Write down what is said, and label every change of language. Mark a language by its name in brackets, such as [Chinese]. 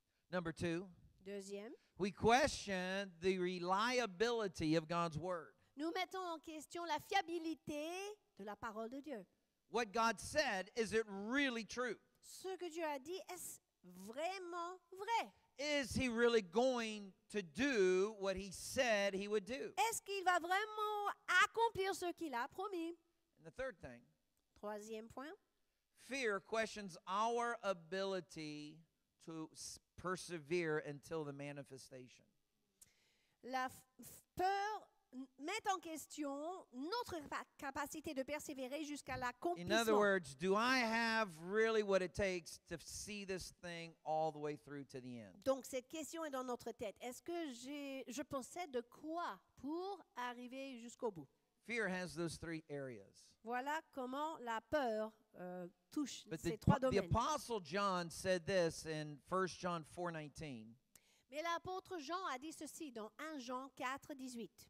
[English] Number two, [French] deuxième, [English] we question the reliability of God's word. [French] Nous mettons en question la fiabilité de la parole de Dieu. [English] What God said, is it really true? [French] Ce que Dieu a dit, est-ce vraiment vrai? [English] Is he really going to do what he said he would do? [French] Est-ce qu'il va vraiment accomplir ce qu'il a promis? [English] And the third thing, [French] troisième point, [English] fear questions our ability to speak. Persevere until the manifestation. [French] La peur met en question notre capacité de persévérer jusqu'à l'accomplissement. [English] In other words, do I have really what it takes to see this thing all the way through to the end? [French] Donc cette question est dans notre tête. Est-ce que je possède de quoi pour arriver jusqu'au bout? [English] Fear has those three areas. [French] Voilà comment la peur touche [English] But [French] ces trois domaines. [English] The Apostle John said this in 1 John 4:19. [French] Mais l'apôtre Jean a dit ceci dans 1 Jean 4:18.